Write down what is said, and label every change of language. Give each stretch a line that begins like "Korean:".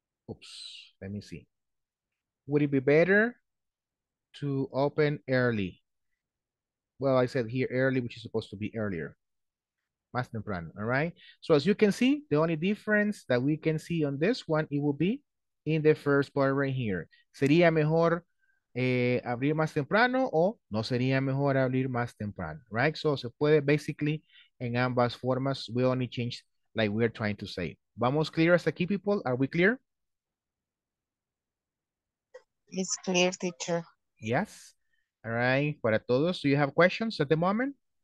English: Oops, let me see. Would it be better to open early? Well, I said here early, which is supposed to be earlier.
Spanish: Más temprano,
English: all right? So as you can see, the only difference that we can see on this one, it will be in the first part right here.
Spanish: Sería mejor abrir más temprano o no sería mejor abrir más temprano, right? So se puede basically en ambas formas.
English: We only change like we're trying to say. ¿Vamos clear
Spanish: hasta aquí,
English: people? Are we clear? It's clear, teacher. Yes. All right.
Spanish: Para todos,
English: do you have questions at the moment?